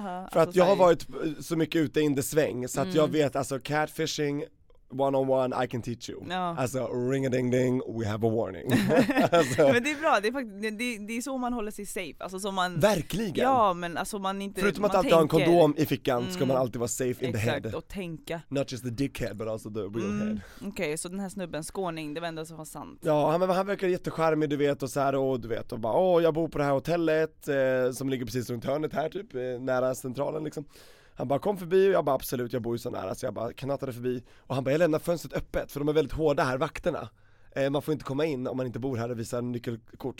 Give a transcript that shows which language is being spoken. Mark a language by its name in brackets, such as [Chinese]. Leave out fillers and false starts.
[Swedish] För alltså, att jag har varit så mycket ute in the sväng, så att jag vet, alltså catfishing... [English] One on one, I can teach you. [Swedish] Ja. [English] Alltså, ring a ding ding, we have a warning. [Swedish] Men det är bra, det är så man håller sig safe. Alltså, så man, verkligen? Ja, men alltså, man inte... Förutom man att alltid tänker, ha en kondom i fickan ska man alltid vara [English] safe in the head. [Swedish] Exakt, och tänka. [English] Not just the dickhead, but also the real head. [Swedish] Okej, okay, så den här snubben, skåning, det var ändå så var sant. Ja, han verkar jättecharmig, du vet, och så här, och du vet, och bara, åh, jag bor på det här hotellet som ligger precis runt hörnet här, typ, nära centralen, liksom. Han bara, kom förbi, och jag bara, absolut, jag bor ju så nära. Så jag bara knattade förbi. Och han bara, jag lämnar fönstret öppet, för de är väldigt hårda här, vakterna. Man får inte komma in om man inte bor här och visar nyckelkort.